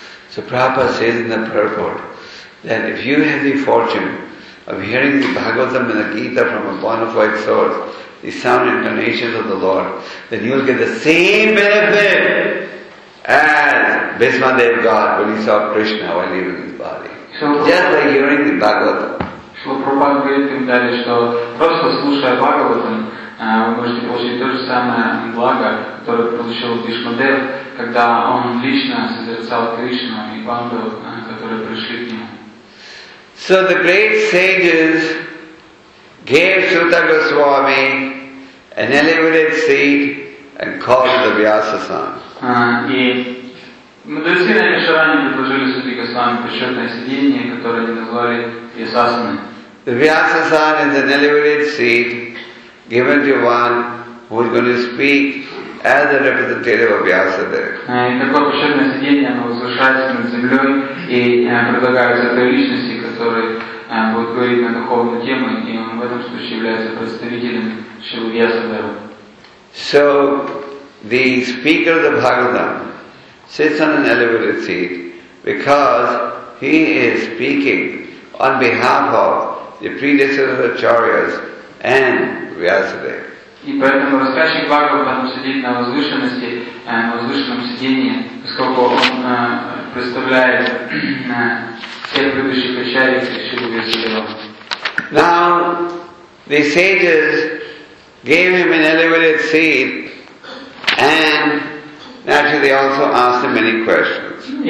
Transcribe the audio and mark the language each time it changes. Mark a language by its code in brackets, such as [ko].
[en] So Prabhupada says in the purport that if you have the fortune of hearing the Bhagavatam and the Gita from a bona fide source, the sound incarnations of the Lord, then you will get the same benefit as Bhishmadev got when he saw Krishna while he was in his body. Just by hearing the Bhagavatam. [ru] Что Прабхупада говорит им далее, что просто слушая Бхагаватам, вы можете получить то же самое благо, которое получил Бхишмадев, когда он лично созерцал Кришну и Панду, которые пришли к нему. [en] So the great sages gave Sutta Goswami an elevated seat and called the Vyasasan. [ru] И мудрецы на Мишаране предложили Сутте Госвами почетное сиденье, которое они назвали Вьясасаной. [en] The Vyasasan is an elevated seat given to one who is going to speak as a representative of Vyasadeva. [ru] И такое душевное сидение, оно возвышается над землей и предлагается этой личности, которая будет говорить на духовную тему, и он в этом случае является представителем Шрилы Вьясадевы. [en] So the speaker of the Bhagavatam sits on an elevated seat because he is speaking on behalf of the predecessors of Acharyas and Vyasadeva. [ru] И поэтому рассказчик Бхагаватам сидит на возвышенности, на возвышенном сидении, поскольку он представляет всех предыдущих Ачарьи Шрилы Вьясадевы. [en] Now the sages gave him an elevated seat and naturally they also asked him many questions.